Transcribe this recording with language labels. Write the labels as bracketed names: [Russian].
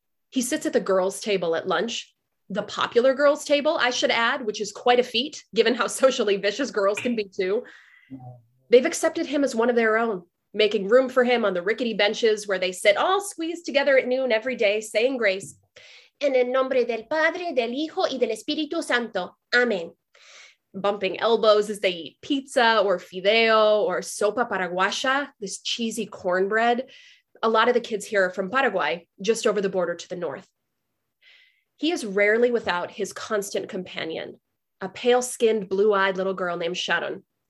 [English] He sits at the girls' table at lunch, the popular girls' table, I should add, which is quite a feat given how socially vicious girls can be too. They've accepted him as one of their own, making room for him on the rickety benches where they sit all squeezed together at noon every day, saying grace. [Spanish] En el nombre del Padre, del Hijo, y del Espíritu Santo. Amén. [English] Bumping elbows as they eat pizza or fideo or sopa paraguaya, this cheesy cornbread. A lot of the kids here are from Paraguay, just over the border to the north. He is rarely without his constant companion, a pale-skinned, blue-eyed little girl named Sharon.